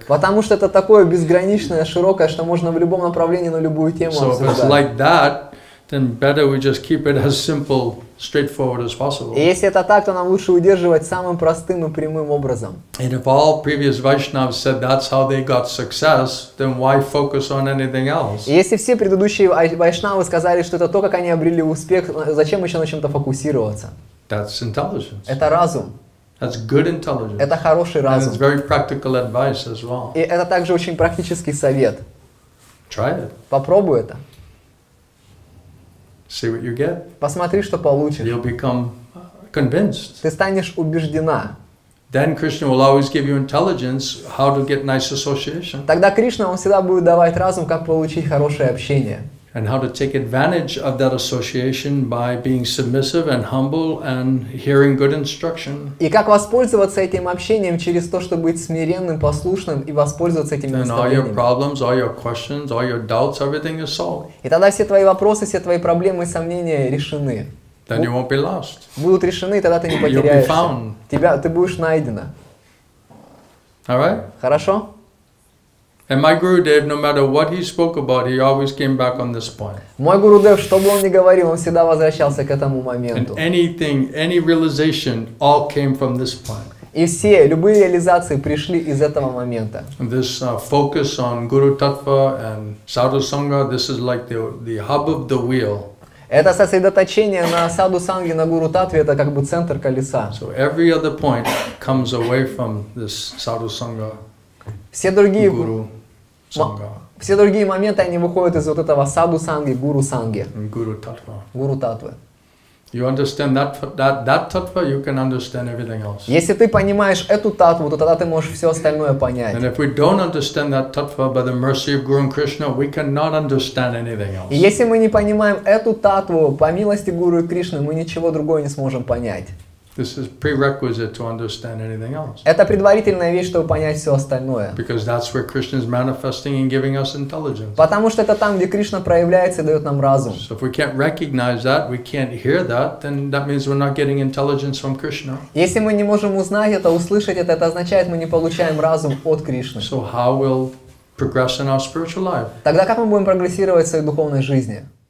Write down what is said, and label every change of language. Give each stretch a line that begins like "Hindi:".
Russian: Потому что это такое безграничное, широкое, что можно в любом направлении на любую тему обсуждать.
English: So if it's like that, then better we just keep it as simple. Straightforward as possible.
Russian: И если это так, то нам лучше удерживать самым простым и прямым образом.
English: And if all previous Vaishnavas said that's how they got success, then why focus on anything else?
Russian: И если все предыдущие Вайшнавы сказали, что это то, как они обрели успех, зачем еще на чем-то фокусироваться?
English: That's intelligence.
Russian: Это разум.
English: That's good intelligence.
Russian: Это хороший разум.
English: And it's very practical advice as well.
Russian: И это также очень практический совет.
English: Try it.
Russian: Попробуй это.
English: See what you get.
Russian: Посмотри, что получишь.
English: You'll become convinced.
Russian: Ты станешь убеждена.
English: Then Krishna will always give you intelligence how to get nice association.
Russian: Тогда Кришна, он всегда будет давать разум, как получить хорошее общение.
English: and how to take advantage of that association by being submissive and humble and hearing good instruction.
Russian: И как воспользоваться этим общением через то, чтобы быть смиренным, послушным и воспользоваться этими наставлениями.
English: And all your problems, all your questions, all your doubts, everything is solved.
Russian: И тогда все твои вопросы, все твои проблемы и сомнения решены.
English: Then you won't be lost.
Russian: Будут решены, тогда ты не потеряешься.
English: You'll be found.
Russian: Тебя, ты будешь найдена.
English: All right?
Russian: Хорошо?
English: And my Gurudev, no matter what he spoke about, he always came back on this point.
Russian: Мой Гурудев, что бы он ни говорил, он всегда возвращался к этому моменту.
English: And anything, any realization, all came from this point.
Russian: И все, любые реализации пришли из этого момента.
English: This focus on Guru Tattva and Sadhu Sangha, this is like the hub of the wheel.
Russian: Это сосредоточение на Саду Санге, на Гуру Таттве, это как бы центр колеса.
English: So every other point comes away from this Sadhu Sangha.
Russian: Все другие моменты, они выходят из вот этого саду санги, гуру санги. Гуру таттва.
English: You understand that таттва, you can understand everything else.
Russian: Если ты понимаешь эту таттву, то тогда ты можешь все остальное понять.
English: And if we don't understand that таттва by the mercy of Guru and Krishna, we cannot understand anything else.
Russian: И если мы не понимаем эту таттву по милости Гуру и Кришны, мы ничего другого не сможем понять.
English: This is prerequisite to understand anything else.
Russian: Это предварительная вещь, чтобы понять все остальное.
English: Because that's where Krishna is manifesting and giving us intelligence.
Russian: Потому что это там, где Кришна проявляется и дает нам разум.
English: So if we can't recognize that, we can't hear that, then that means we're not getting intelligence from Krishna.
Russian: Если мы не можем узнать это, услышать это означает, мы не получаем разум от Кришны.
English: So how will progress in our spiritual life?
Russian: Тогда как мы будем прогрессировать в своей духовной жизни?